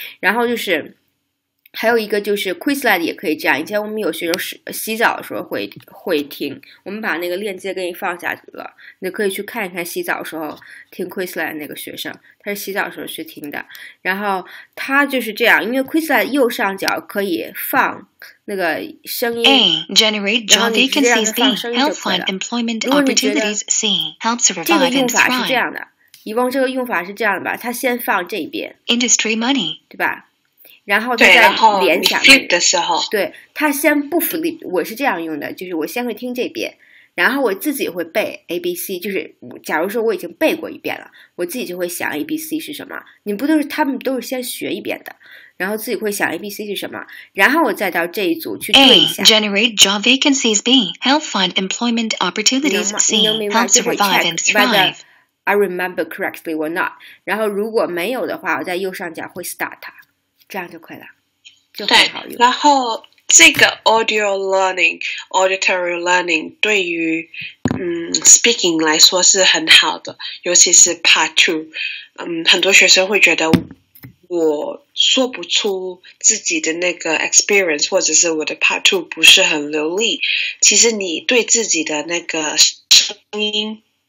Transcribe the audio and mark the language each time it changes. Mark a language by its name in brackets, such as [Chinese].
[Chinese] 然后就是还有一个就是 Quizlet 也可以这样，以前我们有学生洗澡的时候会听，我们把那个链接给你放下去了，你可以去看一看洗澡的时候听 Quizlet 那个学生，他是洗澡的时候去听的。然后他就是这样，因为 Quizlet 右上角可以放那个声音 [English] A. Generate job vacancies B. Help find employment opportunities C. Help survive and thrive。 [Chinese] 这个用法是这样的，以往这个用法是这样的吧，他先放这边 [English] Industry money [Chinese] 对吧，然后他在联想对 flip 的时候，对，他先不 flip， 我是这样用的，就是我先会听这遍，然后我自己会背 ABC， 就是假如说我已经背过一遍了，我自己就会想 ABC 是什么，你不都是他们都是先学一遍的，然后自己会想 ABC 是什么，然后我再到这一组去对一下 [English] A. Generate job vacancies B. Help find employment opportunities C. Help survive and thriveI remember correctly or not， [Chinese] 然后如果没有的话我在右上角会 start它，这样就可以了，就很好用。然后这个 audio learning auditory learning 对于speaking 来说是很好的，尤其是 part two， 很多学生会觉得我说不出自己的那个 experience， 或者是我的 part two 不是很流利，其实你对自己的那个声音